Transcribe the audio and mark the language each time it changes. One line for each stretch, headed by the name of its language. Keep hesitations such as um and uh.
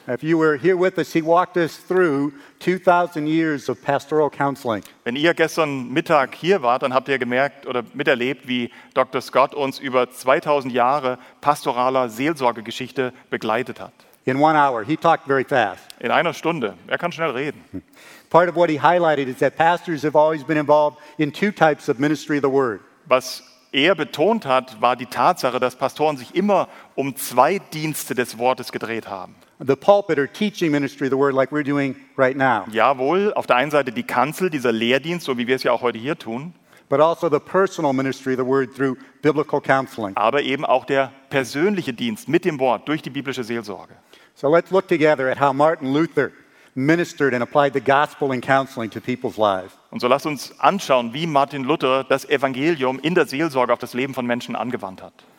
German: Wenn ihr gestern Mittag hier wart, dann habt ihr gemerkt oder miterlebt, wie Dr. Scott uns über 2000 Jahre pastoraler Seelsorgegeschichte begleitet hat.
English: In, one hour. He talked very fast.
German: in einer Stunde, er kann schnell reden.
English: Part of what he highlighted is that pastors have always been involved in two types of ministry of the word.
German: Was er betont hat, war die Tatsache, dass Pastoren sich immer um zwei Dienste des Wortes gedreht haben.
English: The pulpit or teaching ministry of the word like we're doing right now.
German: Jawohl, auf der einen Seite die Kanzel, dieser Lehrdienst, so wie wir es ja auch heute hier tun.
English: But also the personal ministry of the word through biblical counseling.
German: Aber eben auch der persönliche Dienst mit dem Wort durch die biblische Seelsorge.
English: So let's look together at how Martin Luther
German: Und so lasst uns anschauen, wie Martin Luther das Evangelium in der Seelsorge auf das Leben von Menschen angewandt hat.